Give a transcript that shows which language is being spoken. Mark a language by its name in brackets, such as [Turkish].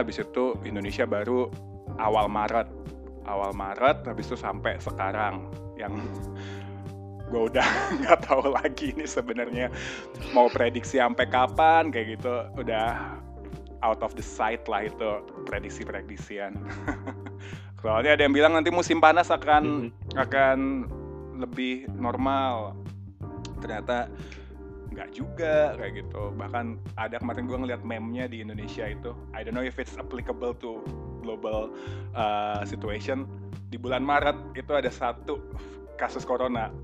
[Indonesian] Habis itu Indonesia baru awal Maret, habis itu sampai sekarang yang gue udah nggak tahu lagi ini sebenarnya mau prediksi sampai kapan kayak gitu, udah [English] out of the sight [Indonesian] lah itu prediksi-prediksian. Soalnya ada yang bilang nanti musim panas akan lebih normal. Ternyata nggak juga kayak gitu. Bahkan ada kemarin gue ngeliat meme-nya di Indonesia itu. [English] I don't know if it's applicable to global situation. [Indonesian] Di bulan Maret itu ada satu kasus corona.